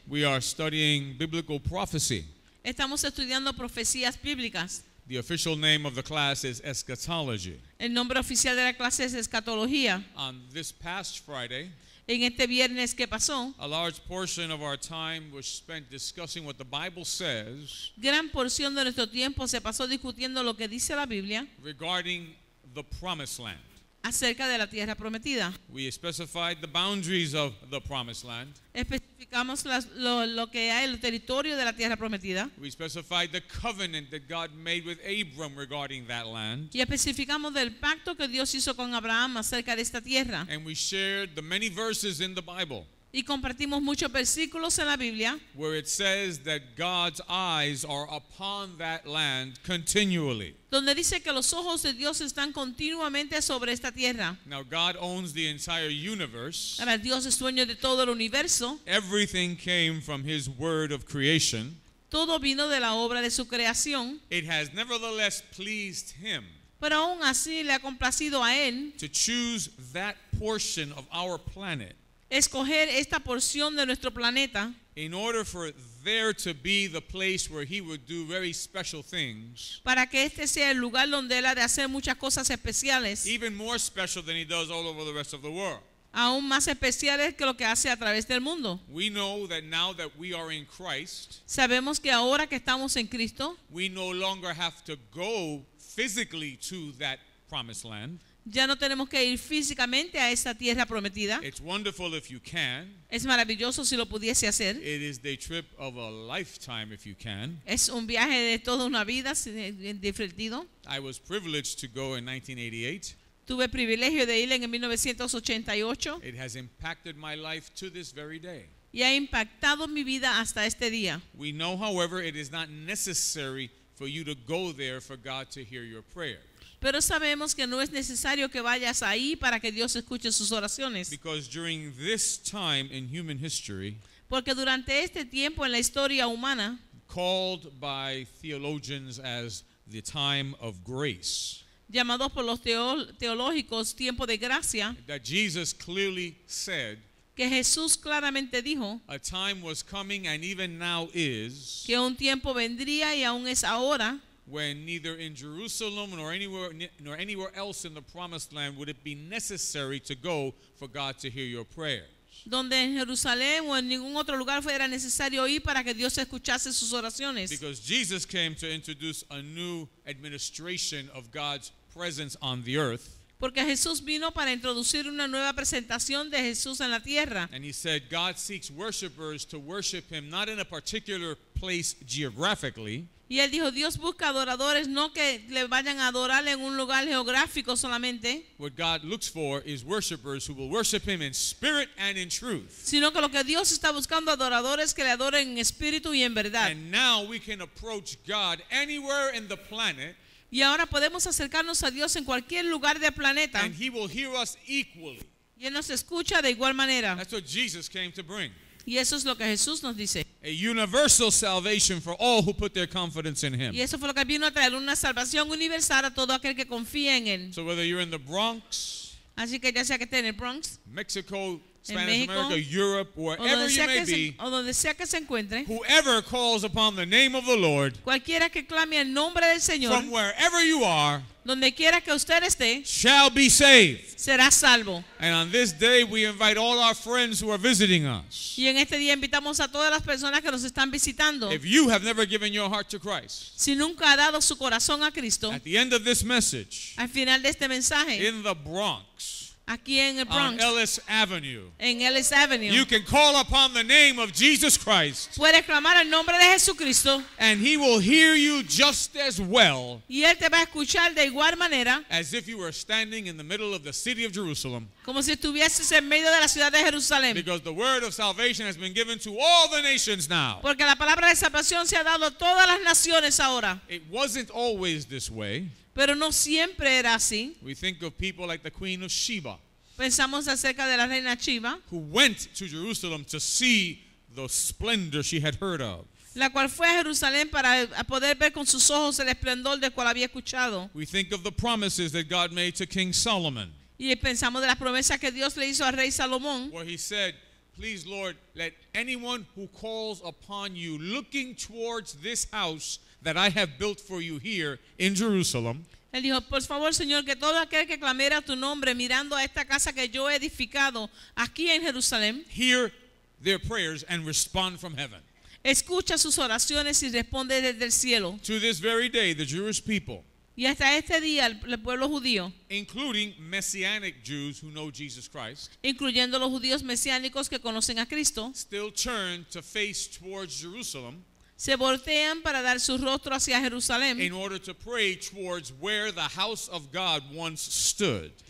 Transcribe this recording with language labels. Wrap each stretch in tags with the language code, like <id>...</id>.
<en>we are studying biblical prophecy.</en> <es>Estamos estudiando profecías bíblicas.</es> <en>The official name of the class is eschatology.</en> <es>El nombre oficial de la clase es escatología.</es> <en>On this past Friday,</en> <es>en este viernes que pasó,</es> <en>a large portion of our time was spent discussing what the Bible says.</en> <es>Gran porción de nuestro tiempo se pasó discutiendo lo que dice la Biblia.</es> <en>Regarding the promised land.</en> <es>Acerca de la tierra prometida.</es> <en>We specified the boundaries of the promised land.</en> <es>Especificamos lo que hay el territorio de la tierra prometida.</es> <en>We specified the covenant that God made with Abram regarding that land.</en> <es>Y especificamos del pacto que Dios hizo con Abraham acerca de esta tierra.</es> <en>And we shared the many verses in the Bible.</en> <es>Y compartimos muchos versículos en la Biblia.</es> <en>Where it says that God's eyes are upon that land continually.</en> <es>Donde dice que los ojos de Dios están continuamente sobre esta tierra.</es> <en>Now God owns the entire universe.</en> <es>Ahora Dios es dueño de todo el universo.</es> <en>Everything came from his word of creation.</en> <es>Todo vino de la obra de su creación.</es> <en>It has nevertheless pleased him.</en> <es>Pero aún así le ha complacido a él.</es> <en>To choose that portion of our planet.</en> <es>Escoger esta porción de nuestro planeta.</es> <en>In order for there to be the place where he would do very special things.</en> <es>Para que este sea el lugar donde él ha de hacer muchas cosas especiales.</es> <en>Even more special than he does all over the rest of the world.</en> <es>Aún más especiales que lo que hace a través del mundo.</es> <en>We know that now that we are in Christ.</en> <es>Sabemos que ahora que estamos en Cristo.</es> <en>We no longer have to go physically to that promised land.</en> <es>Ya no tenemos que ir físicamente a esa tierra prometida.</es> <en>It's wonderful if you can.</en> <es>Es maravilloso si lo pudiese hacer.</es> <en>It is the trip of a lifetime if you can.</en> <es>Es un viaje de toda una vida, si es divertido.</es> <en>I was privileged to go in 1988.</en> <es>Tuve el privilegio de ir en 1988.</es> <en>It has impacted my life to this very day.</en> <es>Y ha impactado mi vida hasta este día.</es> <en>We know, however, it is not necessary for you to go there for God to hear your prayer.</en> <es>Pero sabemos que no es necesario que vayas ahí para que Dios escuche sus oraciones.</es> <en>Because during this time in human history,</en> <es>porque durante este tiempo en la historia humana,</es> <en>called by theologians as the time of grace,</en> <es>llamados por los teológicos tiempo de gracia,</es> <en>that Jesus clearly said,</en> <es>que Jesús claramente dijo,</es> <en>a time was coming and even now is,</en> <es>que un tiempo vendría y aún es ahora,</es> <en>when neither in Jerusalem nor anywhere else in the promised land would it be necessary to go for God to hear your prayers.</en> <es>Donde en Jerusalén o en ningún otro lugar fuera necesario ir para que Dios escuchase sus oraciones.</es> <en>Because Jesus came to introduce a new administration of God's presence on the earth.</en> <es>Porque Jesús vino para introducir una nueva presentación de Jesús en la tierra.</es> <en>And he said God seeks worshipers to worship him not in a particular place geographically.</en> <es>Y él dijo Dios busca adoradores no que le vayan a adorar en un lugar geográfico solamente.</es> <en>What God looks for is worshipers who will worship him in spirit and in truth.</en> <es>Sino que lo que Dios está buscando adoradores que le adoren en espíritu y en verdad.</es> <en>And now we can approach God anywhere in the planet.</en> <es>Y ahora podemos acercarnos a Dios en cualquier lugar del planeta.</es> <en>And he will hear us equally.</en> <es>Y él nos escucha de igual manera.</es> <en>That's what Jesus came to bring.</en> <es>Y eso es lo que Jesús nos dice.</es> <en>A universal salvation for all who put their confidence in him.</en> <es>Y eso fue lo que vino a traer una salvación universal a todo aquel que confía en él.</es> <en>So whether you're in the Bronx,</en> <es>así que ya sea que esté en el Bronx,</es> <en>Mexico, Spanish America, Europe, wherever you may be,</en> <es>o donde sea que se encuentre,</es> <en>whoever calls upon the name of the Lord,</en> <es>cualquiera que clame el nombre del Señor,</es> <en>from wherever you are,</en> <es>donde quiera que usted esté,</es> <en>shall be saved.</en> <es>Será salvo.</es> <en>And on this day we invite all our friends who are visiting us.</en> <es>Y en este día invitamos a todas las personas que nos están visitando.</es> <en>If you have never given your heart to Christ,</en> <es>si nunca ha dado su corazón a Cristo,</es> <en>at the end of this message,</en> <es>al final de este mensaje,</es> <en>in the Bronx,</en> <es>aquí en el Bronx,</es> <en>on Ellis Avenue,</en> <es>en Ellis Avenue,</es> <en>you can call upon the name of Jesus Christ,</en> <es>puedes clamar el nombre de Jesucristo,</es> <en>and he will hear you just as well,</en> <es>y él te va a escuchar de igual manera,</es> <en>as if you were standing in the middle of the city of Jerusalem,</en> <es>como si estuvieses en medio de la ciudad de Jerusalén,</es> <en>because the word of salvation has been given to all the nations now,</en> <es>porque la palabra de salvación se ha dado a todas las naciones ahora.</es> <en>It wasn't always this way.</en> <es>Pero no siempre era así.</es> <en>We think of people like the Queen of Sheba.</en> <es>Pensamos acerca de la reina Sheba.</es> <en>Who went to Jerusalem to see the splendor she had heard of.</en> <es>La cual fue a Jerusalén para poder ver con sus ojos el esplendor del cual había escuchado.</es> <en>We think of the promises that God made to King Solomon.</en> <es>Y pensamos de las promesas que Dios le hizo al rey Salomón.</es> <en>Where he said, please Lord, let anyone who calls upon you looking towards this house that I have built for you here in Jerusalem.</en> <es>Él dijo, por favor, Señor, que todo aquel que clamara tu nombre mirando a esta casa que yo he edificado aquí en Jerusalén,</es> <en>hear their prayers and respond from heaven.</en> <es>Escucha sus oraciones y responde desde el cielo.</es> <en>To this very day, the Jewish people,</en> <es>y hasta este día, el pueblo judío,</es> <en>including Messianic Jews who know Jesus Christ,</en> <es>incluyendo los judíos mesiánicos que conocen a Cristo,</es> <en>still turn to face towards Jerusalem,</en> <es>se voltean para dar su rostro hacia Jerusalén,</es> <en>in order to pray towards where the house of God once stood,</en>